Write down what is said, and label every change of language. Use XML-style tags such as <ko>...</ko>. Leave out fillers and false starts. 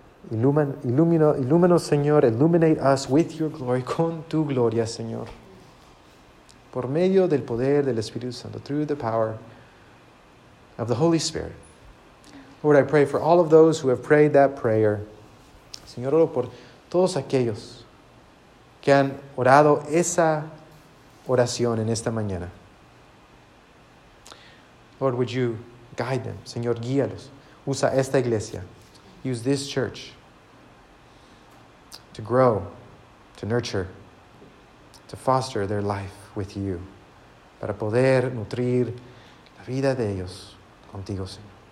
<en>Señor, illuminate us with your glory,</en> <es>con tu gloria, Señor. Por medio del poder del Espíritu Santo,</es> <en>through the power of the Holy Spirit. Lord, I pray for all of those who have prayed that prayer.</en> <es>Señor, oro por todos aquellos que han orado esa oración en esta mañana.</es> <en>Lord, would you guide them?</en> <es>Señor, guíalos. Usa esta iglesia.</es> <en>Use this church to grow, to nurture, to foster their life with you.</en> <es>Para poder nutrir la vida de ellos contigo, Señor.</es>